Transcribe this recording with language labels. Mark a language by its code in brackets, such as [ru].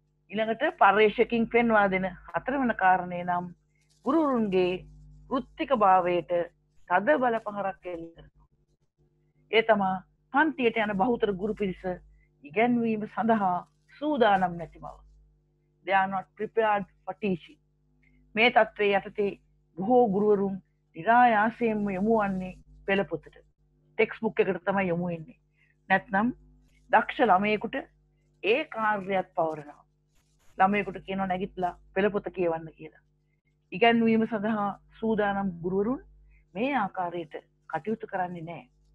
[si] ඊළඟට පර්යේෂකෙන් පෙන්වා දෙන හතරවන කාරණේ නම් ගුරුරුන්ගේ වෘත්තික භාවයට තද බල පහරක් එල්ලනවා. ඒ තමා පන්තියට යන බහුතර ගුරු පිරිස ඉගැන්වීම සඳහා සූදානම් නැති බව. [en] They are not prepared for teaching. [si] මේ තත්ත්වයේ යටතේ බොහෝ ගුරුවරුන් නිරායාසයෙන්ම යොමු වන්නේ පෙළපොතට. ටෙක්ස්ට්බුක් එකකට තමයි යොමු වෙන්නේ. නැත්නම් දක්ෂ ළමයෙකුට ඒ කාර්යයත් පවරනවා. ළමයෙකුට කියනවා නැගිටලා පෙළපොත කියවන්න කියලා. ඉගැන්වීම සඳහා සූදානම් ගුරුවරුන් මේ ආකාරයට කටයුතු කරන්නේ නැහැ.